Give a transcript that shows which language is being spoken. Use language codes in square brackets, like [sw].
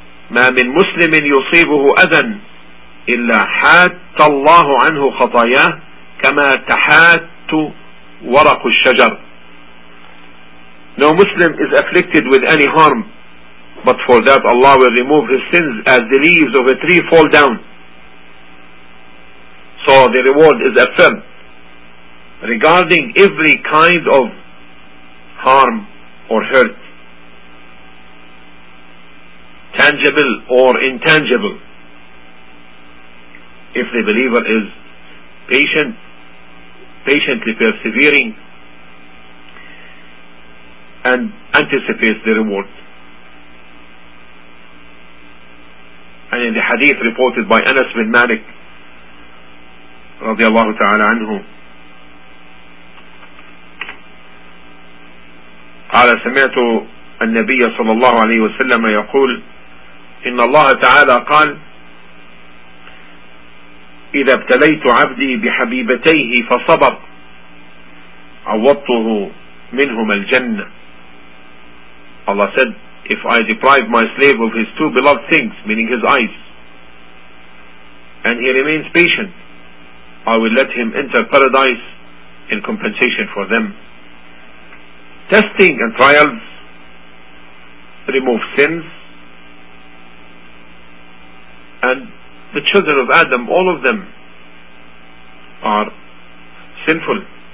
[ar] ما من مسلم يصيبه أذى إلا حات الله عنه خطاياه كما تحات ورق الشجر. [en] No Muslim is afflicted with any harm, but for that Allah will remove his sins as the leaves of a tree fall down. So the reward is affirmed regarding every kind of harm or hurt, tangible or intangible, if the believer is patient, patiently persevering, and anticipates the reward. And in the hadith reported by Anas bin Malik radiallahu ta'ala anhu, [ar] قال سمعت النبي صلى الله عليه وسلم يقول إن الله تعالى قال إذا ابتليت عبدي بحبيبتيه فصبر عوضته منهما الجنة. [en] Allah said, if I deprive my slave of his two beloved things, meaning his eyes, and he remains patient, I will let him enter paradise in compensation for them. Testing and trials remove sins, and the children of Adam, all of them are sinful.